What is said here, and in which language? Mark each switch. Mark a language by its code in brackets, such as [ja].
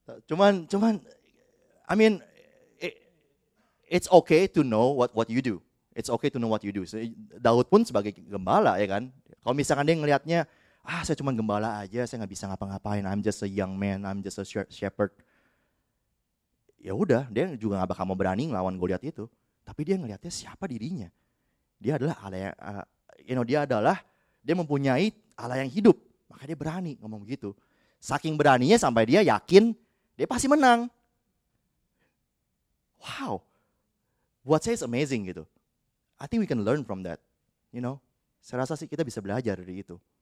[en] Cuman, I mean, it's okay to know what you do. It's okay to know what you do. [id] So, Daud pun sebagai gembala ya kan. Kalau misalkan dia ngelihatnya, ah saya cuma gembala aja, saya nggak bisa ngapa-ngapain. [en] I'm just a young man. I'm just a shepherd. [id] Ya udah, dia juga nggak bakal mau berani ngelawan Goliat itu. Tapi dia ngelihatnya siapa dirinya. Dia adalah Allah. Dia mempunyai Allah yang hidup. Makanya dia berani ngomong begitu. Saking beraninya sampai dia yakin dia pasti menang. Wow, buat saya [en] is amazing [id] gitu. [en] I think we can learn from that, you know. [id] Saya rasa sih kita bisa belajar dari itu.